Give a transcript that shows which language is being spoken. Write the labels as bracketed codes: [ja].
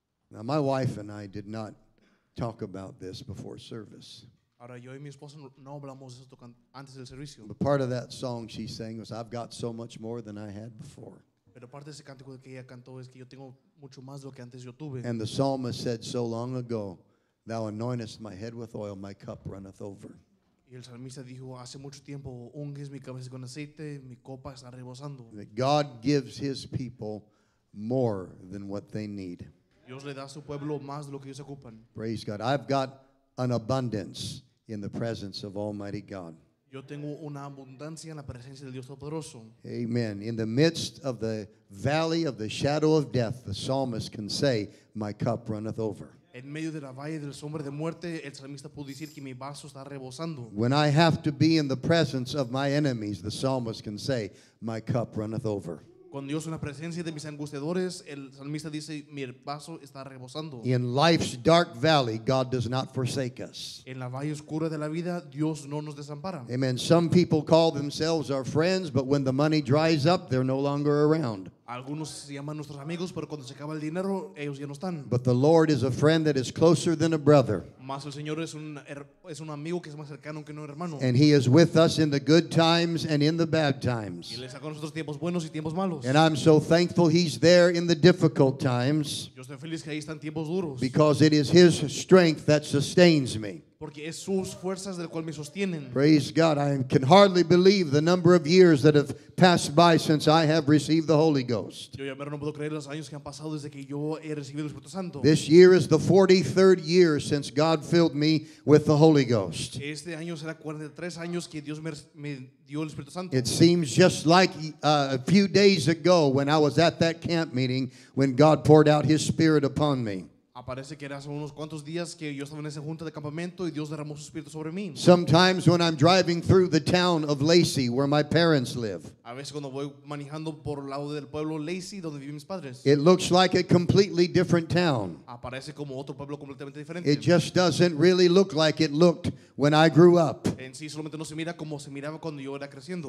[en] Now, my wife and I did not talk about this before service. [es] Ahora, yo y mi esposa no hablamos de esto antes del servicio. [en] But part of that song she sang was, I've got so much more than I had before. [es] Pero parte de ese cántico que ella cantó es que yo tengo mucho más de lo que antes yo tuve. [en] And the psalmist said so long ago, thou anointest my head with oil, my cup runneth over. [es] Y el salmista dijo hace mucho tiempo, unges mi cabeza con aceite, mi copa está rebosando. [en] That God gives his people more than what they need. [es] Dios le da a su pueblo más de lo que ellos ocupan. [en] Praise God. I've got an abundance in the presence of Almighty God. [es] Yo tengo una abundancia en la presencia de Dios Todopoderoso. [en] Amen. In the midst of the valley of the shadow of death, the psalmist can say, my cup runneth over. [es] En medio de la valle del sombra de muerte, el salmista pudo decir que mi vaso está rebosando. [en] When I have to be in the presence of my enemies, the psalmist can say, my cup runneth over. [es] Con Dios en la presencia de mis angustiadores, el salmista dice, mi vaso está rebosando. [en] In life's dark valley, God does not forsake us. [es] En la valle oscura de la vida, Dios no nos desampara. [en] Amen. Some people call themselves our friends, but when the money dries up, they're no longer around. [es] Algunos se llaman nuestros amigos, pero cuando se acaba el dinero, ellos ya no están. [en] But the Lord is a friend that is closer than a brother. [es] Mas el Señor es un amigo que es más cercano que un hermano. [en] And he is with us in the good times and in the bad times. [es] Y él está con nosotros tiempos buenos y tiempos malos. [en] And I'm so thankful he's there in the difficult times. [es] Yo estoy feliz que ahí están tiempos duros. [en] Because it is his strength that sustains me. [es] Porque es sus fuerzas del cual me sostienen. [en] Praise God. I can hardly believe the number of years that have passed by since I have received the Holy Ghost. [es] Yo ya no puedo creer los años que han pasado desde que yo he recibido el Espíritu Santo. [en] This year is the 43rd year since God filled me with the Holy Ghost. [es] Este año será 43 años que Dios me dio el Espíritu Santo. [en] It seems just like a few days ago when I was at that camp meeting when God poured out his Spirit upon me. [es] Aparece que era hace unos cuantos días que yo estaba en esa junta de campamento y Dios derramó su espíritu sobre mí. [en] Sometimes when I'm driving through the town of Lacey where my parents live. [es] A veces cuando voy manejando por el lado del pueblo Lacey donde viven mis padres. [en] It looks like a completely different town. [es] Aparece como otro pueblo completamente diferente. [en] It just doesn't really look like it looked when I grew up. [es] En sí solamente no se mira como se miraba cuando yo era creciendo.